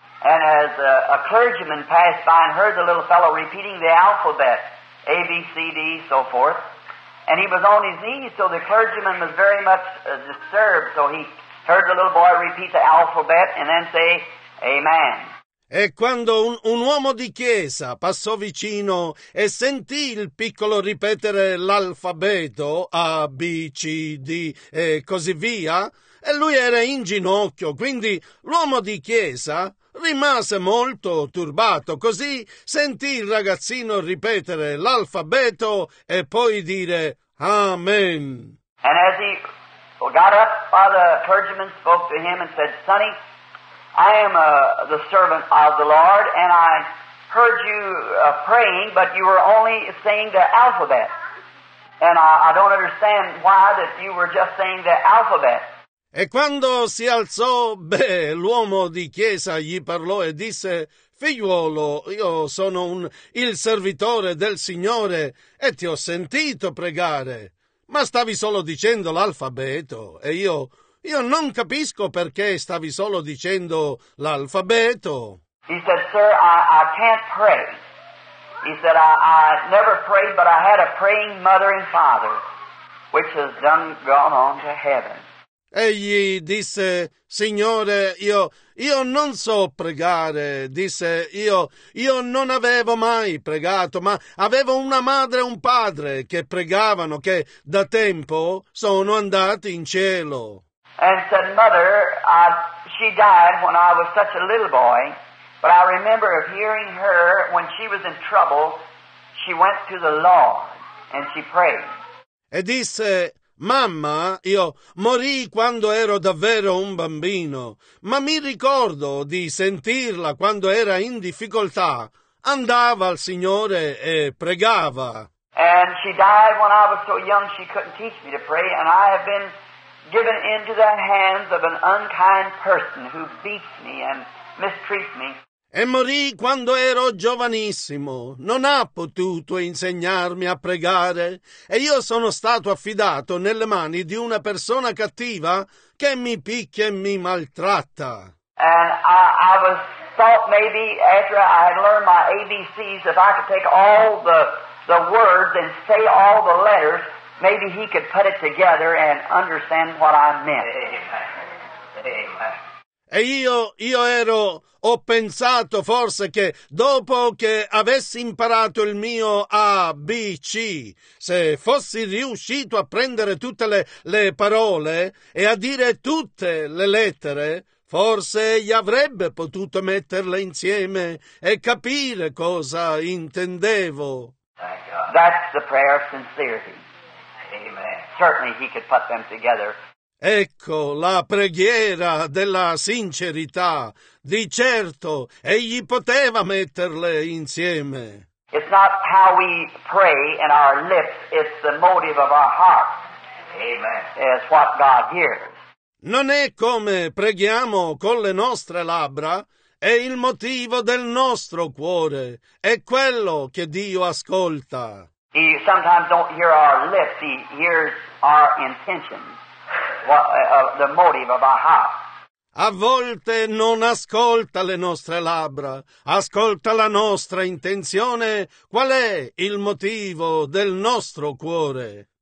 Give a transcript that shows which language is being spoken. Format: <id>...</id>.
<en>And as a clergyman passed by and heard the little fellow repeating the alphabet, A, B, C, D, so forth, and he was on his knees, so the clergyman was very much disturbed, so he heard the little boy repeat the alphabet and then say, Amen.</en> <it>E quando un uomo di chiesa passò vicino e sentì il piccolo ripetere l'alfabeto, A, B, C, D e così via, e lui era in ginocchio, quindi l'uomo di chiesa rimase molto turbato, così sentì il ragazzino ripetere l'alfabeto e poi dire Amen.</it> <en>And as he got up, Father clergyman spoke to him and said, Sonny, I am the servant of the Lord, and I heard you praying, but you were only saying the alphabet. And I don't understand why that you were just saying the alphabet.</en> <it>E quando si alzò, beh, l'uomo di chiesa gli parlò e disse, figliuolo, io sono il servitore del Signore e ti ho sentito pregare, ma stavi solo dicendo l'alfabeto e io non capisco perché stavi solo dicendo l'alfabeto.</it> <en>He said, sir, I can't pray. He said, I never prayed, but I had a praying mother and father, which has done gone on to heaven.</en> <it>Egli disse, Signore, io non so pregare. Disse, io non avevo mai pregato, ma avevo una madre e un padre che pregavano, che da tempo sono andati in cielo.</it> <en>And said, Mother, she died when I was such a little boy, but I remember of hearing her when she was in trouble, she went to the Lord and she prayed.</en> <it>E disse, Mamma, io morì quando ero davvero un bambino, ma mi ricordo di sentirla quando era in difficoltà. Andava al Signore e pregava.</it> <en>And she died when I was so young she couldn't teach me to pray, and I have been given into the hands of an unkind person who beats me and mistreats me.</en> <it>E morì quando ero giovanissimo, non ha potuto insegnarmi a pregare, e io sono stato affidato nelle mani di una persona cattiva che mi picchia e mi maltratta.</it> <en>And I was thought maybe after I had learned my ABCs, if I could take all the words and say all the letters, maybe he could put it together and understand what I meant. Amen. Amen.</en> <it>E ho pensato forse che dopo che avessi imparato il mio ABC, se fossi riuscito a prendere tutte le parole e a dire tutte le lettere, forse egli avrebbe potuto metterle insieme e capire cosa intendevo.</it> <en>That's the prayer of sincerity. Amen. Certainly he could put them together.</en> <it>Ecco la preghiera della sincerità. Di certo, egli poteva metterle insieme.</it> <en>It's not how we pray in our lips, it's the motive of our heart. Amen. It's what God hears.</en> <it>Non è come preghiamo con le nostre labbra, è il motivo del nostro cuore, è quello che Dio ascolta.</it> <en>He sometimes don't hear our lips, he hears our intentions. The motive of our heart.</en> <it>A volte non ascolta le nostre labbra, ascolta la nostra intenzione. Qual è il motivo del nostro cuore?</it>